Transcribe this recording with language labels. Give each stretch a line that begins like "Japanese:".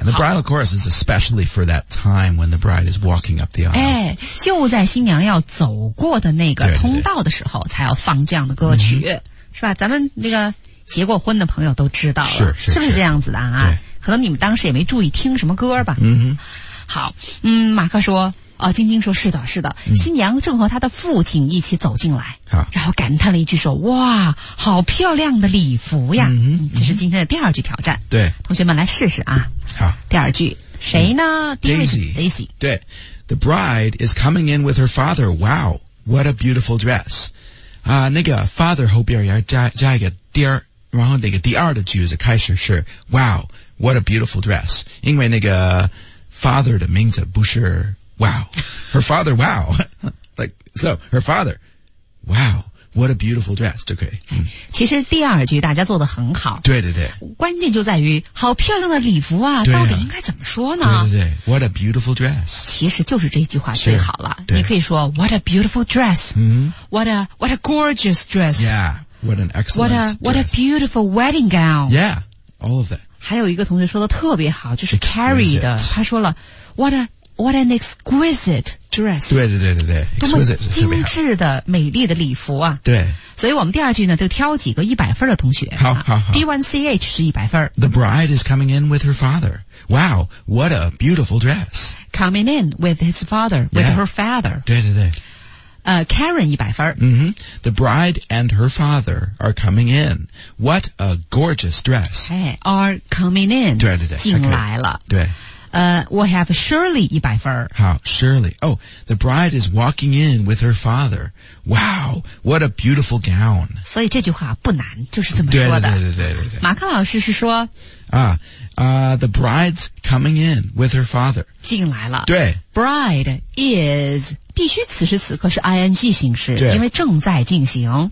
English: And the bridal chorus is especially for that time when the bride is walking up the aisle.
Chinese: 哎，就在新娘要走过的那个通道的时候才要放这样的歌曲。对对对 mm-hmm. 是吧咱们那个结过婚的朋友都知道了。是不是这样子的啊可能你们当时也没注意听什么歌吧。嗯哼。好嗯马克说啊晶晶说是的是的、嗯、新娘正和她的父亲一起走进来。好然后感叹了一句说哇好漂亮的礼服呀。嗯这是今天的第二句挑战。对。同学们来试试啊。好。第二句谁呢、 Daisy。 Daisy。对。
English: The bride is coming in with her father. Wow, what a beautiful dress.
Chinese: 啊、那个 father 后边要 加一个第二然后那个第二的句子开始是
English: Wow, what a beautiful dress
Chinese: 因为那个 father 的名字不是
English: Wow Her father, wow like, So, her father Wow, what a beautiful dress
Chinese: 就可以、嗯、其实第二句大家做得很好对对对关键就在于好漂亮的礼服 啊到底应该怎么说呢对对对
English: What a beautiful dress
Chinese: 其实就是这句话最好了你可以说
English: What a beautiful dress、 mm-hmm. What a gorgeous dress YeahWhat an excellent What a beautiful wedding gown. Yeah, all of that.
Chinese: 还有一个同学说的特别好，就是 Carrie 的，他说了
English: What an exquisite dress.
Chinese: 对对对对对，多么精致的美丽的礼服啊！对，所以我们第二句呢，就挑几个100分的同学。好好好，D1CH 是100分。
English: The bride is coming in with her father. Wow, what a beautiful dress. Coming in with his father, with her father.
Chinese: 对对对。 Karen 100分、 mm-hmm.
English: The bride and her father are coming in. What a gorgeous dress. Hey, are coming in.
Chinese: 对对对。进来了。
English: Okay. 对。 We have Shirley 100分。
Chinese: 好 ,Shirley.
English: Oh, the bride is walking in with her father. Wow, what a beautiful gown.
Chinese: 所以这句话不难就是这么说的。对对对对对对。马克老师是说。
English: The bride's coming in with her father.
Chinese: 进来了。对。
English: Bride is...
Chinese: 必须此时此刻是 ing 形式对因为正在进行